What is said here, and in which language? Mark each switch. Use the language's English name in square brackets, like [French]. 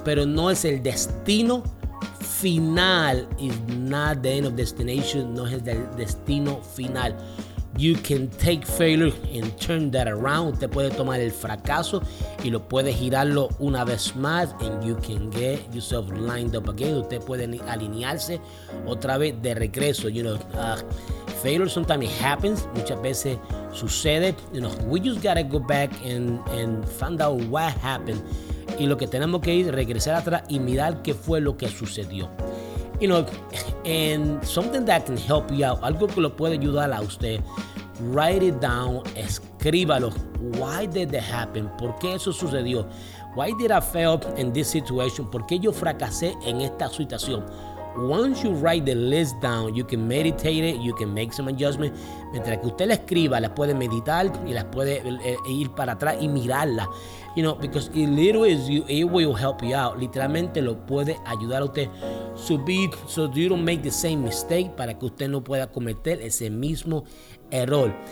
[Spanish] Pero no es el destino final. [English] It's not the end of destination. No es el destino final. You can take failure and turn that around. [Spanish] Usted puede tomar el fracaso y lo puede girarlo una vez más. [English] And you can get yourself lined up again. Usted puede alinearse otra vez de regreso. You know, failure sometimes happens. Muchas veces sucede. You know, we just gotta go back and find out what happened. [Spanish] Y lo que tenemos que ir, regresar atrás y mirar qué fue lo que sucedió. [English] You know, and something that can help you out, algo que lo puede ayudar a usted, write it down, escríbalo. Why did that happen? ¿Por qué eso sucedió? Why did I fail in this situation? [Spanish] ¿Por qué yo fracasé en esta situación? [English] Once you write the list down, you can meditate it, you can make some adjustments. [Spanish] Mientras que usted la escriba, la puede meditar y la puede ir para atrás y mirarla. [English] You know, because it literally is you, it will help you out. Literalmente lo puede ayudar a usted subir so you don't make the same mistake, para que usted no pueda cometer ese mismo error.